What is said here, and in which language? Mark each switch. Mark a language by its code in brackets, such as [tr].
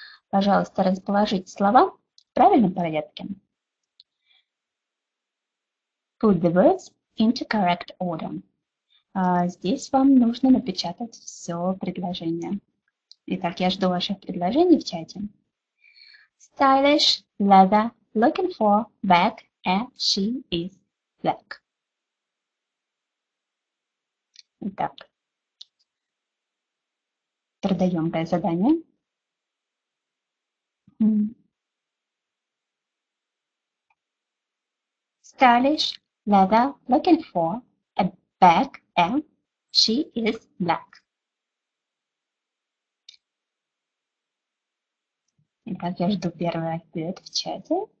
[ru] Пожалуйста, расположите слова в правильном порядке. [en] Put the words into correct order. [ru] Здесь вам нужно напечатать все предложение. Итак, я жду ваших предложений в чате. [en] Stylish, leather, looking for, back, and she is black. [ru] Итак, трудоемкое задание. [en] Stylish, leather, looking for, a bag, and she is black. [ru] Итак, я жду первый ответ в чате.